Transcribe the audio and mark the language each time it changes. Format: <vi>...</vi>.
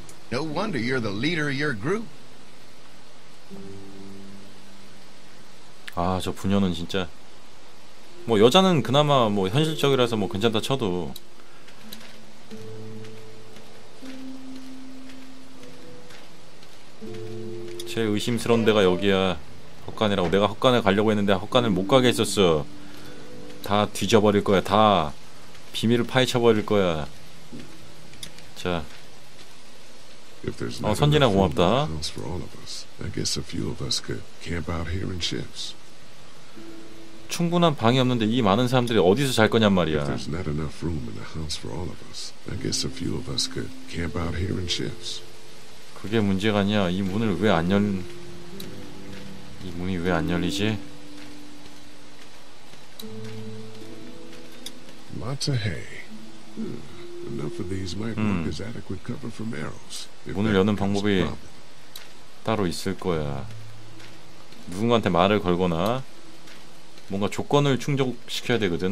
<en>No wonder you're the leader of your group.</en> <ko>아, 저 부녀는 진짜 뭐 여자는 그나마 뭐 현실적이라서 뭐 괜찮다 쳐도 제 의심스러운 데가 여기야. 헛간이라고. 내가 헛간에 가려고 했는데 헛간을 못 가게 했었어. 다 뒤져버릴 거야. 다 비밀을 파헤쳐 버릴 거야. 자.</ko> <en>If there's</en> <ko>no 선진아 고맙다.</ko> <en>For all of us. I guess a few of us could camp out here in shifts.</en> <ko>충분한 방이 없는데 이 많은 사람들이 어디서 잘 거냔 말이야.</ko> <en>If there's not enough room in the house for all of us. I guess a few of us could camp out here in shifts.</en> <ko>그게 문제가 아니야. 이 문을 왜 안 열 이 문이 왜 안 열리지?</ko> <en>Lots of hay. Enough of these might work as adequate cover from arrows.</en> <ko>문을 여는 방법이 따로 있을 거야. 누군가한테 말을 걸거나 뭔가 조건을 충족시켜야 되거든.</ko>